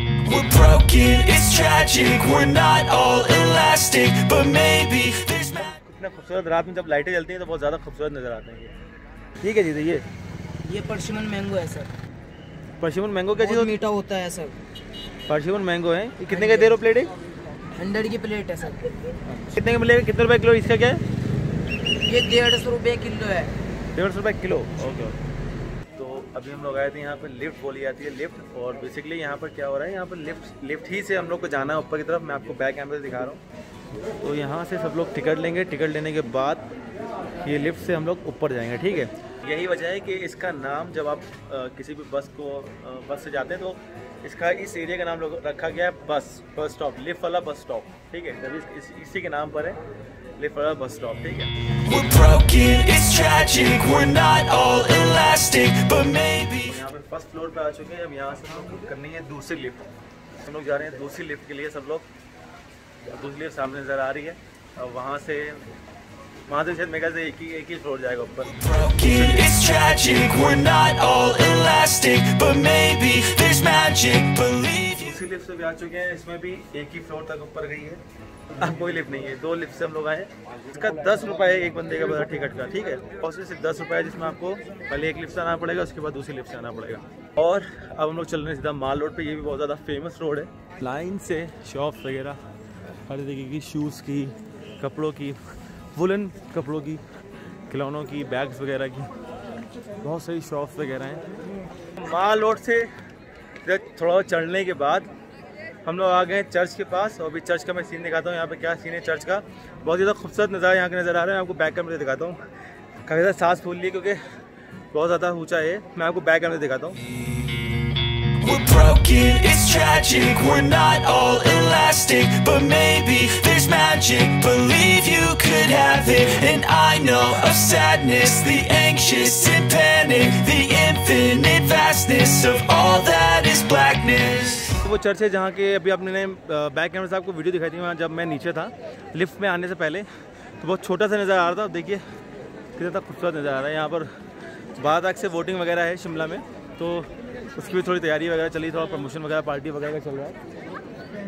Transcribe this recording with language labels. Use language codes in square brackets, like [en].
[en] We're broken, it's tragic, we're not all elastic, but maybe there's magic. [hi] कितना खूबसूरत रात में जब लाइटें जलती हैं तो बहुत ज्यादा खूबसूरत नजर आते हैं ये ठीक है जी। तो ये पर्सिमन मैंगो है सर। पर्सिमन मैंगो क्या चीज़ है? मीठा होता है सर। पर्सिमन मैंगो है ये कितने का दे रहे हो प्लेट? 100 की प्लेट है सर। कितने का मिलेगा कितने रुपए किलो इसका क्या है? ये 150 रुपए किलो है। 150 रुपए किलो ओके ओके। तो अभी हम लोग आए थे यहाँ पर लिफ्ट बोली जाती है लिफ्ट और बेसिकली यहाँ पर क्या हो रहा है यहाँ पर लिफ्ट ही से हम लोग को जाना है ऊपर की तरफ। मैं आपको बैक कैमरे से दिखा रहा हूँ तो यहाँ से सब लोग टिकट लेंगे टिकट लेने के बाद ये लिफ्ट से हम लोग ऊपर जाएंगे ठीक है। यही वजह है कि इसका नाम जब आप किसी भी बस को बस से जाते हैं तो इसका इस एरिया का नाम रखा गया है बस स्टॉप लिफ्ट वाला बस स्टॉप ठीक है जब इसी के नाम पर है लिफ्ट वाला बस स्टॉप ठीक है। [en] We're broken, it's tragic, we're not all elastic, but maybe... [hi] यहाँ पर फर्स्ट फ्लोर पर आ चुके हैं अब यहाँ से हम लोग करनी है दूसरी लिफ्ट हम लोग जा रहे हैं दूसरी लिफ्ट के लिए सब लोग दूसरी लिफ्ट सामने नजर आ रही है अब वहाँ से शायद मेरे से एक ही फ्लोर जाएगा ऊपर। [en] It's tragic, we're not all elastic, but maybe there's magic, believe you. [hi] दूसरी लिफ्ट से भी आ चुके हैं इसमें भी एक ही फ्लोर तक ऊपर गई है कोई लिफ्ट नहीं है दो लिफ्ट से हम लोग आए इसका 10 रुपये एक बंदे का बड़ा टिकट का ठीक है और उसमें से 10 रुपये जिसमें आपको पहले एक लिफ्ट से आना पड़ेगा उसके बाद दूसरी लिफ्ट से आना पड़ेगा। और अब हम लोग चल रहे हैं सीधा माल रोड पर ये भी बहुत ज़्यादा फेमस रोड है लाइन से शॉप्स वगैरह हर तरीके की शूज़ की कपड़ों की वुलन कपड़ों की खिलौनों की, बैग्स वगैरह की, बहुत सही शॉप्स वगैरह हैं। माल रोड से थोड़ा चढ़ने के बाद हम लोग आ गए चर्च के पास, और अभी चर्च का मैं सीन दिखाता हूँ, यहाँ पे क्या सीन है चर्च का। बहुत ही ज़्यादा खूबसूरत नज़ारा यहाँ का नज़र आ रहा है, मैं आपको बैक कैमरे दिखाता हूँ। काफ़ी ज़्यादा सांस फूल ली क्योंकि बहुत ज़्यादा ऊँचा है, मैं आपको बैक कैमरे दिखाता हूँ। [en] We're broken, it's tragic, we're not all elastic, but maybe there's magic, believe you could have it. And I know of sadness, the anxious and panic, the infinite vastness of all that is blackness. [hi] वो church है जहाँ के अभी आपने back camera साहब को video दिखाई थी, वहाँ जब मैं नीचे था लिफ्ट में आने से पहले, तो बहुत छोटा सा नज़र आ रहा था। देखिए कितना खूबसूरत नज़र आ रहा है। यहाँ पर बाहर तक से वोटिंग वगैरह है शिमला में, तो उसकी भी थोड़ी तैयारी वगैरह चली, थोड़ा प्रमोशन वगैरह पार्टी वगैरह चल रहा है।